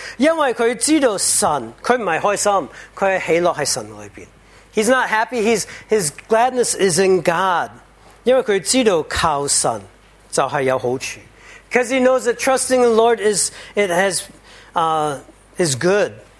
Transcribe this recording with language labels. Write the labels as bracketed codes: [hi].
[zh] 因为他知道神,他不是开心,他的喜乐在神里面。 [en] He's not happy, his gladness is in God. [zh] 因为他知道靠神就是有好处。 [en] Because he knows that trusting the Lord is good.